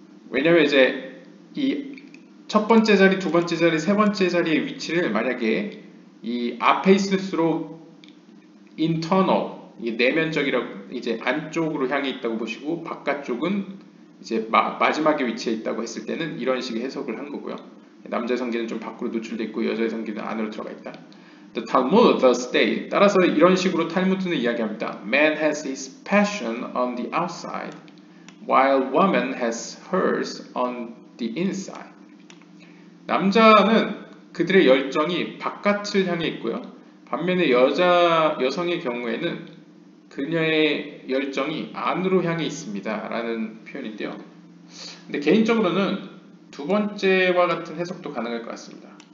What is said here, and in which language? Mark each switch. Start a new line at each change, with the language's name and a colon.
Korean: 왜냐면 이제 이 첫 번째 자리, 두 번째 자리, 세 번째 자리의 위치를 만약에 이 앞에 있을수록 internal, 이 내면적이라고 이제 안쪽으로 향해 있다고 보시고 바깥쪽은 이제 마지막에 위치해 있다고 했을 때는 이런 식의 해석을 한 거고요. 남자의 성기는 좀 밖으로 노출돼 있고 여자의 성기는 안으로 들어가 있다.
English: The Talmud thus states.
Korean: 따라서 이런 식으로 탈무드는 이야기합니다.
English: Man has his passion on the outside, while woman has hers on the inside.
Korean: 남자는 그들의 열정이 바깥을 향해 있고요. 반면에 여성의 경우에는 그녀의 열정이 안으로 향해 있습니다 라는 표현인데요. 근데 개인적으로는 두 번째와 같은 해석도 가능할 것 같습니다.